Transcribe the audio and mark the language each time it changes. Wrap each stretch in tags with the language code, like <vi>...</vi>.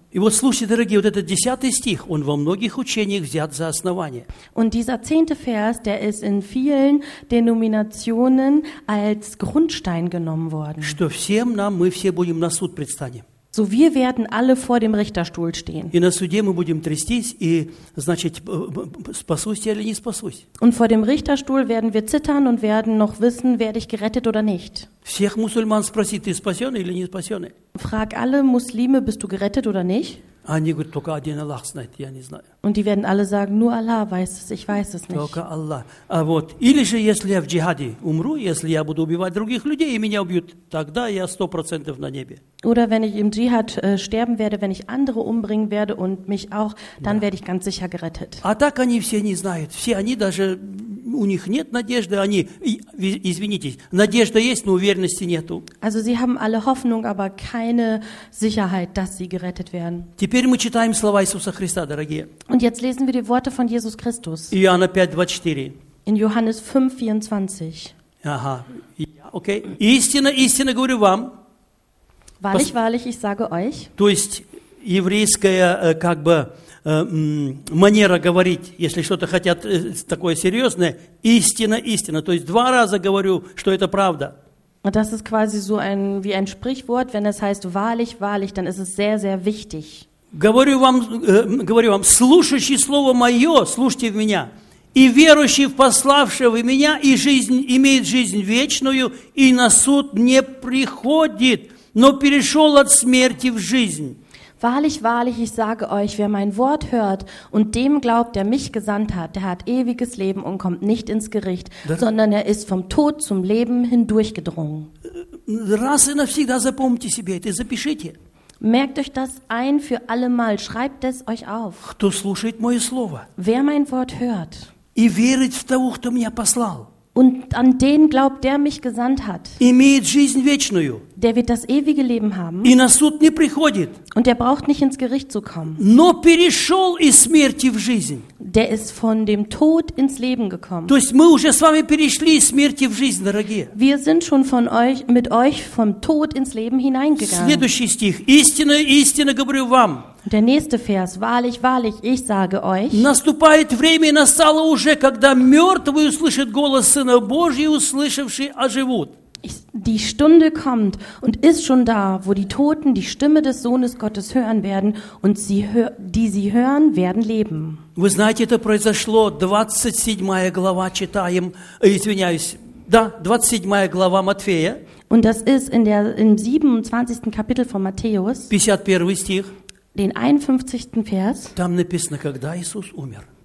<ru>И вот слушайте, дорогие, вот этот 10 стих, он во многих учениях взят за основание.</ru> <de>Und dieser 10. Vers, der ist in vielen Denominationen als Grundstein genommen worden.</de> <ru>Что всем нам, мы все будем на суд предстанем.</ru> <de>So, wir werden alle vor dem Richterstuhl stehen.</de> <ru>И на суде мы будем трястись, и, значит, спасусь я или не спасусь.</ru> <de>Und vor dem Richterstuhl werden wir zittern und werden noch wissen, werde ich gerettet oder nicht.</de> <ru>Всех мусульман спросит, ты спасен или не спасен?</ru> <de>Frag alle Muslime, bist du gerettet oder nicht?</de> <ru>Они говорят, только один Аллах знает, я не знаю.</ru> <de>Und die werden alle sagen, nur Allah weiß es, ich weiß es nicht.</de> <ru>Только Аллах. А вот, или же, если я в джихаде умру, если я буду убивать других людей, и меня убьют, тогда я 100% на небе.</ru> <de>Oder wenn ich im Dschihad sterben werde, wenn ich andere umbringen werde und mich auch, dann werde ich ganz sicher gerettet.</de> <ru>А так они все не знают. Все они даже, у них нет надежды, они, извините, надежда есть, но уверенности нету.</ru> <de>Also sie haben alle Hoffnung, aber keine Sicherheit, dass sie gerettet werden.</de> <ru>Теперь мы читаем слова Иисуса Христа, дорогие.</ru> <de>Und jetzt lesen wir die Worte von Jesus Christus.</de> <ru>Иоанна 5:24.</ru> <de>In Johannes 5:24. Ага. Okay.</de> <ru>Истинно, истинно говорю вам.</ru> <de>Wahrlich, wahrlich, ich sage euch.</de> <ru>То есть еврейская как бы манера говорить, если что-то хотят такое серьезное, истинно, истинно. То есть два раза говорю, что это правда.</ru> <de>Das ist quasi so ein wie ein Sprichwort, wenn es heißt wahrlich, wahrlich, dann ist es sehr, sehr wichtig.</de> <ru>Говорю вам, слушающий слово мое, слушайте в меня, и верующий в пославшего меня, и жизнь имеет жизнь вечную, и на суд не приходит, но перешел от смерти в жизнь.</ru> <de>Wahrlich, wahrlich, ich sage euch, wer mein Wort hört und dem glaubt, der mich gesandt hat, der hat ewiges Leben und kommt nicht ins Gericht, sondern er ist vom Tod zum Leben hindurchgedrungen.</de> <ru>Раз и навсегда запомните себе это, запишите.</ru> <de>Merkt euch das ein für alle Mal, schreibt es euch auf.</de> <ru>Кто слушает мое слово?</ru> <de>Wer mein Wort hört.</de> <ru>И верит в того, кто меня послал.</ru> <de>Und an den glaubt, der mich gesandt hat.</de> <ru>Имеет жизнь вечную.</ru> <de>Der wird das ewige Leben haben.</de> <ru>И на суд не приходит.</ru> <de>Und der braucht nicht ins Gericht zu kommen.</de> <ru>Но перешел из смерти в жизнь.</ru> <de>Der ist von dem Tod ins Leben gekommen.</de> <ru>То есть мы уже с вами перешли из смерти в жизнь, дорогие.</ru> <de>Wir sind schon von euch, mit euch vom Tod ins Leben hineingegangen.</de> <ru>Следующий стих. Истинно, истинно говорю вам.</ru> <de>Der nächste Vers, wahrlich, wahrlich, ich sage euch.</de> <ru>Наступает время, настало уже, когда мертвые услышат голос Сына Божий, услышавшие оживут.</ru> <de>Die Stunde kommt und ist schon da, wo die Toten die Stimme des Sohnes Gottes hören werden und sie die sie hören, werden leben.</de> <ru>Вы знаете, это произошло, 27 глава читаем, извиняюсь, да, 27 глава Матфея.</ru> <de>Und das ist im 27. Kapitel von Matthäus.</de> <ru>51 стих.</ru> <de>Den 51. Vers.</de> <ru>Там написано, когда Иисус умер.</ru>